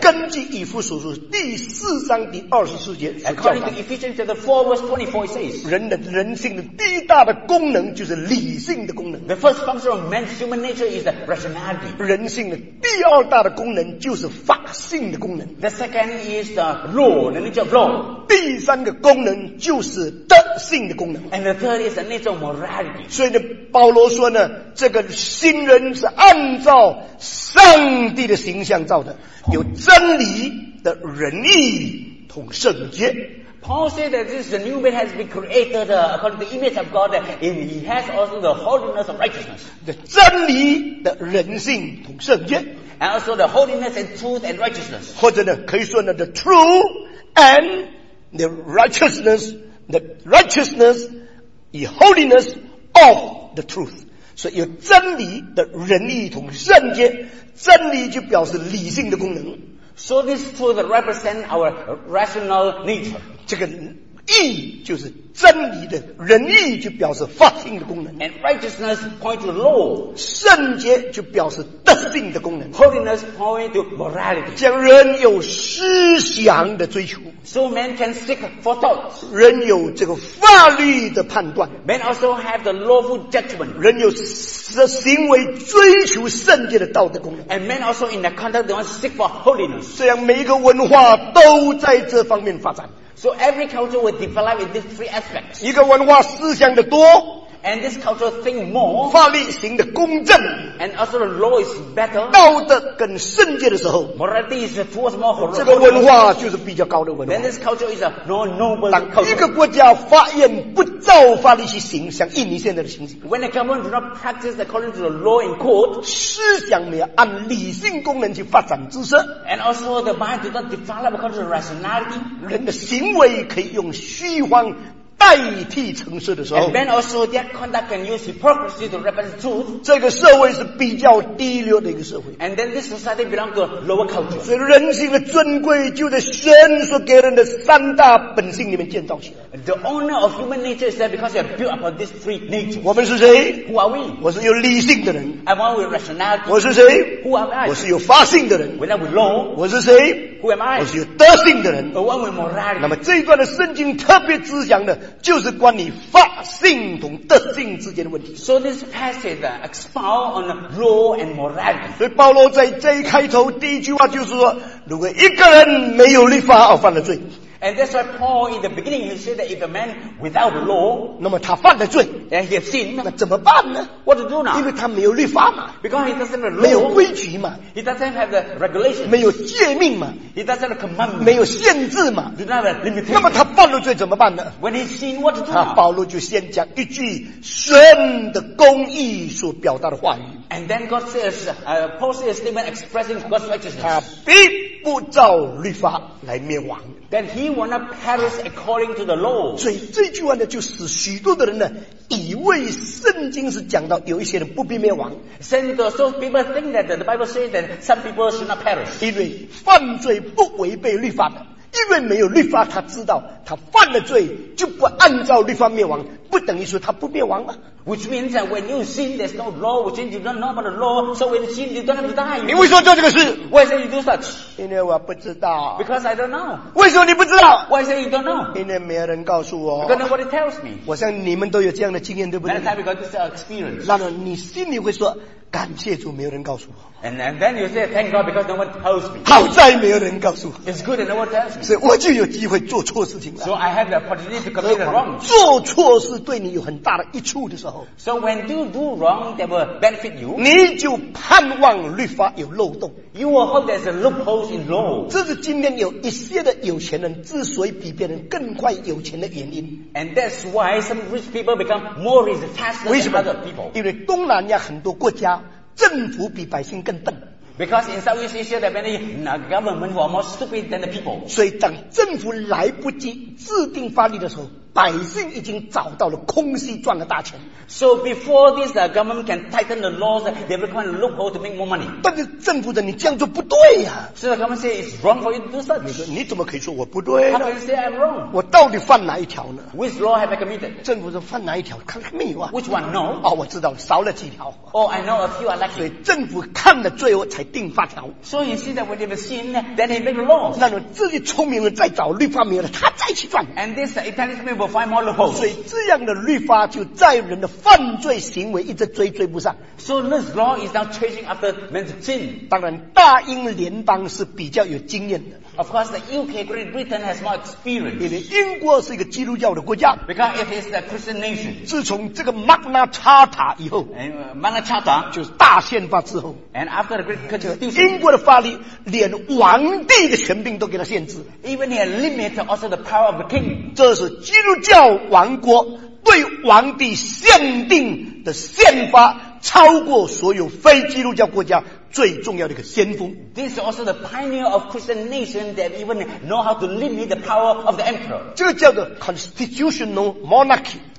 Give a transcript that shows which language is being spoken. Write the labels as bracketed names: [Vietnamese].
[Chinese] 根据以弗所书第四章第二十四节所教导。 [English] According to Ephesians chapter four verse 24, it says. [Chinese] 人的人性的第一大的功能就是理性的功能。 [English] The first function of man's human nature is the rationality. [Chinese] 人性的第二大的功能就是法性的功能。 [English] The second is the law, the nature of law. [Chinese] 第三个功能就是德性的功能。 [English] And the third is the nature of morality. [Chinese] 所以呢，保罗说呢，这个新人是按照上帝的形象造的，有真理的仁义同圣洁。 [English] Paul said that this new man has been created according to the image of God, and he has also the holiness of righteousness. [Chinese] 的真理的人性同圣洁。 [English] And also the holiness and truth and righteousness. [Chinese] 或者呢，可以说呢 [English] ，the true and the righteousness, the righteousness. The holiness of the truth. [Chinese] 所以有真理的仁义同圣洁，真理就表示理性的功能。 [English] So this truth represents our rational nature. [Chinese] 这个义就是真理的仁义，就表示法性的功能。 [English] And righteousness points to law. [Chinese] 圣洁就表示德性的功能。 [English] Holiness points to morality. [Chinese] 将人有思想的追求。 [English] So man can seek for thought. [Chinese] 人有这个法律的判断。 [English] Man also have the lawful judgment. [Chinese] 人有行为追求圣洁的道德功能。 [English] And man also in the context they want to seek for holiness. [Chinese] 这样每一个文化都在这方面发展。 [English] So every culture will develop in these three aspects. [Chinese] 一个文化思想的多。 [English] And this culture think more. [Chinese] 法律行的公正。 [English] And also the law is better. [Chinese] 道德更圣洁的时候。 [English] Morality is towards more holy. [Chinese] 这个文化就是比较高的文化。 [English] Then this culture is a more noble culture. [Chinese] 当一个国家法院不照法律去行，像印尼现在的情形。 [English] When the government do not practice according to the law in court. [Chinese] 思想没有按理性功能去发展知识。 [English] And also the mind do not develop according to rationality. [Chinese] 人的行为可以用虚妄代替诚实的时候， [English] and then also their conduct can use hypocrisy to represent truth. [Chinese] 这个社会是比较低流的一个社会。 [English] And then this society belongs to lower culture. [Chinese] 所以人性的尊贵就在神所给人的三大本性里面建造起来。 [English] The honor of human nature is there because you are built upon these three natures. [Chinese] 我们是谁？ [English] Who are we? [Chinese] 我是有理性的人。 [English] I'm one with rationality. [Chinese] 我是谁？ [English] Who am I? [Chinese] 我是有发性的人。 [English] When I'm with law. [Chinese] 我是谁？ [English] Who am I? [Chinese] 我是有德性的人。 [English] The one with morality. [Chinese] 那么这一段的圣经特别滋养的就是关于法性同德性之间的问题。 [English] So this passage expounds on law and morality. [Chinese] 所以保罗在这一开头第一句话就是说，如果一个人没有律法，而犯了罪。 [English] And that's why Paul in the beginning he said that if a man without law, [Chinese] 那么他犯了罪， [English] and he has sinned, [Chinese] 那怎么办呢？ [English] What to do now? [Chinese] 因为他没有律法嘛， [English] because he doesn't have law, [Chinese] 没有规矩嘛， [English] he doesn't have the regulations, [Chinese] 没有诫命嘛， [English] he doesn't have the commandments, [Chinese] 没有限制嘛， [English] he doesn't have limitations. [Chinese] 那么他犯了罪怎么办呢？ [English] When he sinned, what to do now? [Chinese] 保罗就先讲一句神的公义所表达的话语。 [English] And then God says, Paul says a statement expressing God's righteousness. [Chinese] 他并不照律法来灭亡。 [English] Then he will not perish according to the law. [Chinese] 所以这句话呢，就使许多的人呢，以为圣经是讲到有一些人不必灭亡。 [English] So people think that the Bible says that some people should not perish. [Chinese] 因为犯罪不违背律法的，因为没有律法，他知道他犯了罪就不按照律法灭亡，不等于说他不灭亡吗？ [English] Which means that when you sin, there's no law. Which means you don't know about the law. So when you sin, you don't have to die. [Chinese] 你为什么做这个事？ [English] Why say you do such? [Chinese] 因为我不知道。 [English] Because I don't know. [Chinese] 为什么你不知道？ [English] Why say you don't know? [Chinese] 因为没有人告诉我。 [English] Because nobody tells me. [Chinese] 我想你们都有这样的经验，对不对？ [English] That time we got this experience. [Chinese] 那么你心里会说，感谢主，没有人告诉我。 [English] And then you say thank God because no one tells me. [Chinese] 好在没有人告诉我。 [English] It's good that no one tells me. [Chinese] 所以我就有机会做错事情了。 [English] So I have the opportunity to commit wrong. [Chinese] 做错事对你有很大的益处的时候。 [English] So when you do wrong, that will benefit you. [Chinese] 你就盼望律法有漏洞。 [English] You will hope there's a loophole in law. [Chinese] 这是今天有一些的有钱人之所以比别人更快有钱的原因。 [English] And that's why some rich people become more rich faster than other people. [Chinese] 因为东南亚很多国家政府比百姓更笨。 [English] Because in Southeast Asia, there are many governments who are more stupid than the people. [Chinese] 所以等政府来不及制定法律的时候，百姓已经找到了空隙赚了大钱。 [English] So before this government can tighten the laws, they require a loophole to make more money. [Chinese] 但是政府的你这样做不对呀。 [English] So the government say it's wrong for you to do such. [Chinese] 你说你怎么可以说我不对？ [English] How can you say I'm wrong? [Chinese] 我到底犯哪一条呢？ [English] Which law have I committed? [Chinese] 政府说犯哪一条？看看没有啊。 [English] Which one? No. [Chinese] 哦，我知道了，少了几条。 [English] Oh, I know a few are lacking. [Chinese] 所以政府看了罪后才定法条。 [English] So you see that when they've seen, then they make the laws. [Chinese] 那么这些聪明人再找律法没有了，他再去犯。 [English] And this intelligent people find more loopholes. [Chinese] 所以这样的律法就在人的犯罪行为一直追不上。 [English] So this law is now chasing after men's sin. [Chinese] 当然大英联邦是比较有经验的。 [English] Of course, the UK, Great Britain has more experience. [Chinese] 因为英国是一个基督教的国家。 [English] Because it is a Christian nation. [Chinese] 自从这个 Magna Carta 以后， [English] Magna Carta [Chinese] 就是大宪法之后， [English] and after the Great Constitution, [Chinese] 英国的法律连王帝的权柄都给他限制。 [English] Even it limits also the power of the king. [Chinese] 这是基督教王国对王帝限定的宪法，超过所有非基督教国家最重要的一个先锋。 [English] This is also the pioneer of Christian nation that even know how to limit the power of the emperor. [Chinese] 这个叫做 [English] constitutional monarchy.